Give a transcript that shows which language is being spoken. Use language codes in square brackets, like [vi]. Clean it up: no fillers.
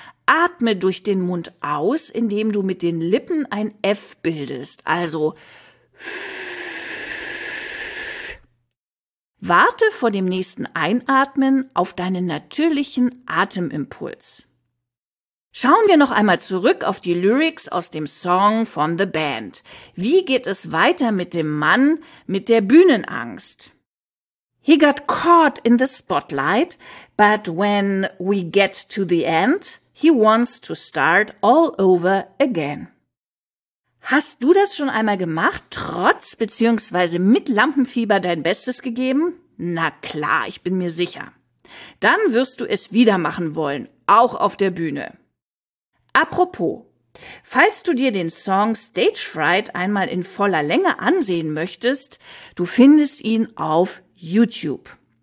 [de] Atme durch den Mund aus, indem du mit den Lippen ein F bildest, also warte vor dem nächsten Einatmen auf deinen natürlichen Atemimpuls. Schauen wir noch einmal zurück auf die Lyrics aus dem Song von The Band. Wie geht es weiter mit dem Mann mit der Bühnenangst? [en] He got caught in the spotlight, but when we get to the end, he wants to start all over again. [de] Hast du das schon einmal gemacht, trotz bzw. mit Lampenfieber dein Bestes gegeben? Na klar, ich bin mir sicher. Dann wirst du es wieder machen wollen, auch auf der Bühne. Apropos, falls du dir den Song Stage Fright einmal in voller Länge ansehen möchtest, du findest ihn auf YouTube.